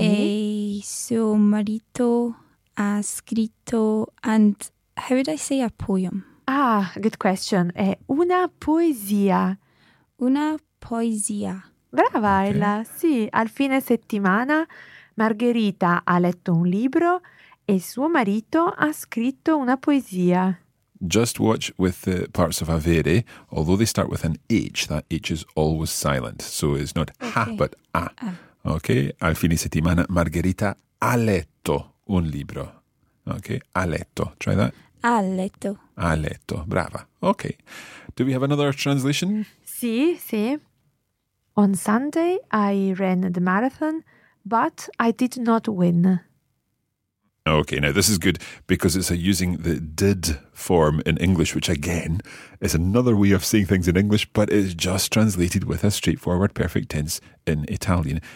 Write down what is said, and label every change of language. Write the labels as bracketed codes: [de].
[it] E suo marito ha scritto [en] and how would I say a poem? Ah, good question. [it] È una poesia. Una poesia. Brava, okay. Ella. Sì, al fine settimana Margherita ha letto un libro e suo marito ha scritto una poesia. [en] Just watch with the parts of avere, although they start with an H, that H is always silent. So it's not okay. Ha, but a. [it] Okay, al fine settimana Margherita ha letto un libro. [en] Okay, [it] ha letto. [en] Try that. [it] Ha letto. Ha letto, brava. [en] Okay, do we have another translation? [it] Sì, sì. [en] On Sunday, I ran the marathon, but I did not win. Okay, now this is good because it's a using the did form in English, which again is another way of saying things in English, but it's just translated with a straightforward perfect tense in Italian.